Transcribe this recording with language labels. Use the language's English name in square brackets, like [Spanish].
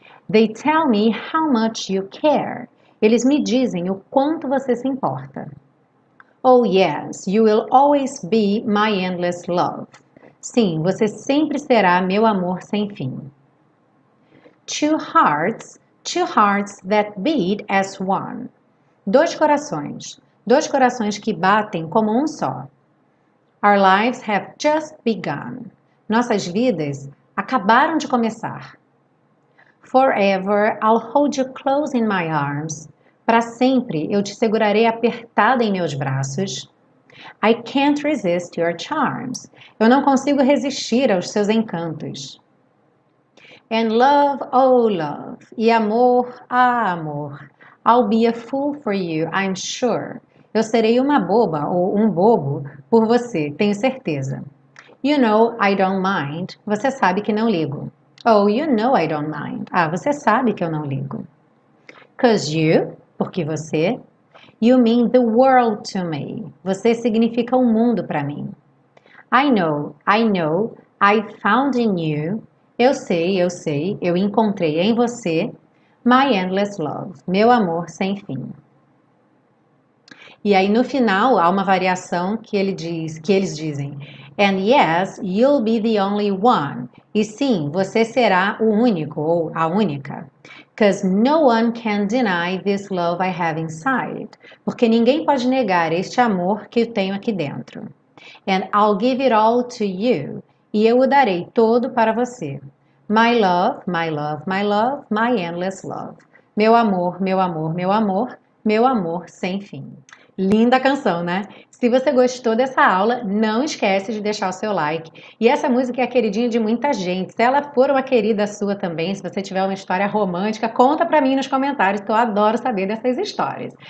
[English] They tell me how much you care. [Portuguese] Eles me dizem o quanto você se importa. [English] Oh yes, you will always be my endless love. [Portuguese] Sim, você sempre será meu amor sem fim. [English] Two hearts that beat as one. [Portuguese] Dois corações que batem como um só. [English] Our lives have just begun. [Portuguese] Nossas vidas acabaram de começar. [English] Forever, I'll hold you close in my arms. [Portuguese] Para sempre, eu te segurarei apertada em meus braços. [English] I can't resist your charms. [Portuguese] Eu não consigo resistir aos seus encantos. [English] And love, oh love. [Portuguese] E amor, ah amor. [English] I'll be a fool for you, I'm sure. [Portuguese] Eu serei uma boba ou um bobo por você, tenho certeza. [English] You know I don't mind. [Portuguese] Você sabe que não ligo. [English] Oh, you know I don't mind. [Portuguese] Ah, você sabe que eu não ligo. [English] 'Cause you, [Portuguese] porque você. [English] You mean the world to me. [Portuguese] Você significa o mundo para mim. [English] I know, I found in you. [Portuguese] Eu sei, eu encontrei em você. [English] My endless love, [Portuguese] meu amor sem fim. E aí no final há uma variação que ele diz, que eles dizem. [English] And yes, you'll be the only one. [Portuguese] E sim, você será o único ou a única. [English] 'Cause no one can deny this love I have inside. [Portuguese] Porque ninguém pode negar este amor que eu tenho aqui dentro. [English] And I'll give it all to you. [Portuguese] E eu o darei todo para você. [English] My love, my love, my love, my endless love. [Portuguese] Meu amor, meu amor, meu amor, meu amor sem fim. Linda canção, né? Se você gostou dessa aula, não esquece de deixar o seu like. E essa música é a queridinha de muita gente. Se ela for uma querida sua também, se você tiver uma história romântica, conta pra mim nos comentários, que eu adoro saber dessas histórias.